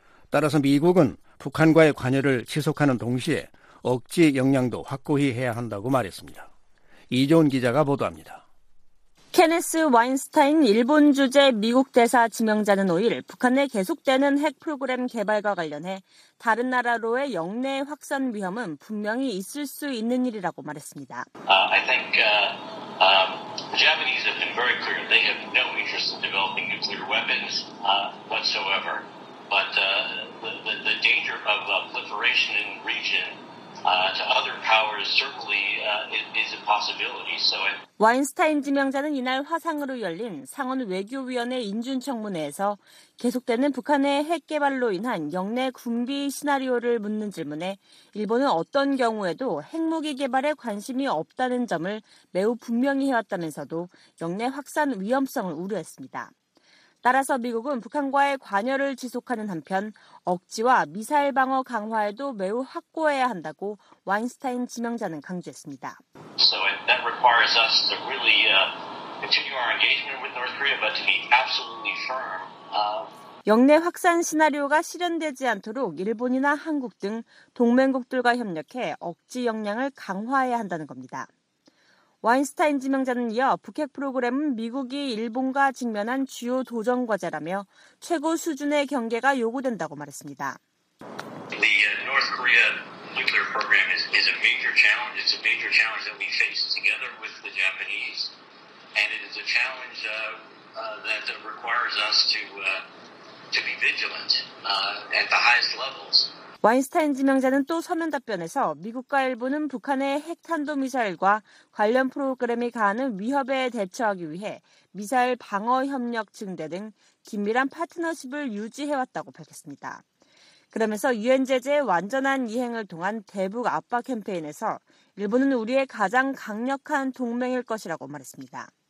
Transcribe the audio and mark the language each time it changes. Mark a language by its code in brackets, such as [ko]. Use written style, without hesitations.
[ko] 따라서 미국은 북한과의 관여를 지속하는 동시에 억지 역량도 확고히 해야 한다고 말했습니다. 이종훈 기자가 보도합니다. 케네스 와인스타인 일본 주재 미국 대사 지명자는 5일 북한의 계속되는 핵 프로그램 개발과 관련해 다른 나라로의 역내 확산 위험은 분명히 있을 수 있는 일이라고 말했습니다. [en] I think the Japanese have been very clear. They have no interest in developing nuclear weapons whatsoever. But the danger of proliferation in region to other powers certainly is a possibility. So [ko] 와인스타인 지명자는 이날 화상으로 열린 상원 외교위원회 인준 청문회에서 계속되는 북한의 핵 개발로 인한 역내 군비 시나리오를 묻는 질문에 일본은 어떤 경우에도 핵무기 개발에 관심이 없다는 점을 매우 분명히 해왔다면서도 역내 확산 위험성을 우려했습니다. 따라서 미국은 북한과의 관여를 지속하는 한편 억지와 미사일 방어 강화에도 매우 확고해야 한다고 와인스타인 지명자는 강조했습니다. [en] So that requires us to really continue our engagement with North Korea, but to be absolutely firm. [ko] 역내 확산 시나리오가 실현되지 않도록 일본이나 한국 등 동맹국들과 협력해 억지 역량을 강화해야 한다는 겁니다. 와인스타인 지명자는 이어 북핵 프로그램은 미국이 일본과 직면한 주요 도전 과제라며 최고 수준의 경계가 요구된다고 말했습니다. [en] The North Korea nuclear program is a major challenge. It's a major challenge that we face together with the Japanese. And it is a challenge that requires us to be vigilant at the highest levels. [ko] 와인스타인 지명자는 또 서면 답변에서 미국과 일본은 북한의 핵탄도미사일과 관련 프로그램이 가하는 위협에 대처하기 위해 미사일 방어협력 증대 등 긴밀한 파트너십을 유지해왔다고 밝혔습니다. 그러면서 유엔 제재 완전한 이행을 통한 대북 압박 캠페인에서 일본은 우리의 가장 강력한 동맹일 것이라고 말했습니다.